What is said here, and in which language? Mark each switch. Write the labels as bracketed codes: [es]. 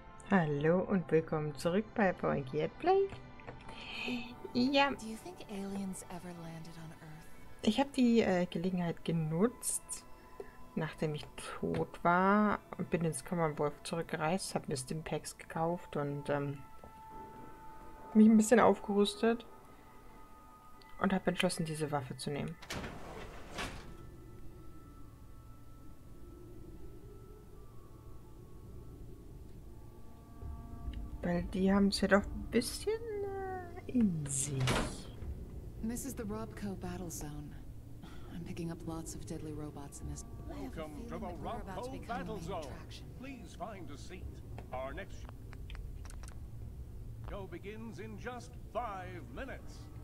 [de] Hallo und willkommen zurück bei Forget Play. Ja. [en] Do you think aliens ever landed on Earth? [de] Ich habe die Gelegenheit genutzt, nachdem ich tot war, und bin ins Common Wolf zurückgereist, habe mir Stimpaks gekauft und mich ein bisschen aufgerüstet und habe entschlossen, diese Waffe zu nehmen. Weil die haben es ja doch ein bisschen in sich. [en] This is the Robco battle zone. I'm picking up lots of deadly robots in this. Welcome to the Robco battle zone. Please find a seat. Our next show begins in just 5 minutes.